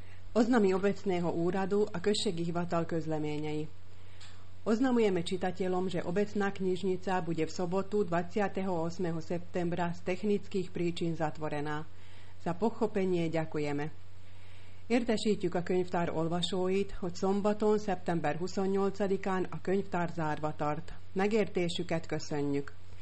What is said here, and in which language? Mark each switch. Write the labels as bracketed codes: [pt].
[sk] Oznami obecného úradu [hu] a kösségi hivatal közleményei. [sk] Oznamujeme čitateľom, že obecná knižnica bude v sobotu 28. septembra z technických príčin zatvorená. Za pochopenie ďakujeme. [hu] Értesítjük a könyvtár olvasóit, hogy szombaton, szeptember 28-án a könyvtár zárva tart. Megértésüket köszönjük.